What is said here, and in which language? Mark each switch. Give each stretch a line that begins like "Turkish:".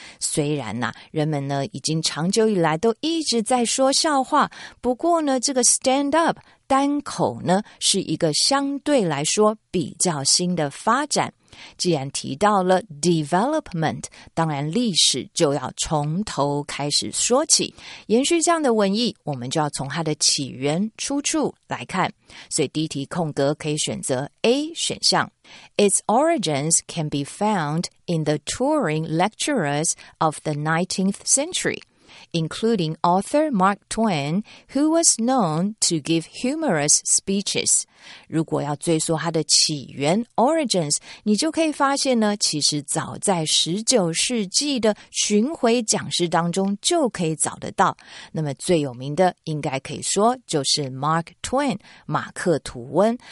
Chinese: 虽然呢、啊、人们呢已经长久以来都一直在说笑话，不过呢这个 stand-up 单口呢是一个相对来说比较新的发展。既然提到了 development， 当然历史就要从头开始说起。延续这样的文意，我们就要从它的起源出处来看。所以第一题空格可以选择 A 选项。
English: Its origins can be found in the touring lecturers of the 19th century, including author Mark Twain, who was known to give humorous speeches.
Chinese: 如果要追溯它的起源 origins， 你就可以发现呢，其实早在19世纪的巡回讲师当中就可以找得到。那么最有名的应该可以说就是 Mark Twain， 马克吐温。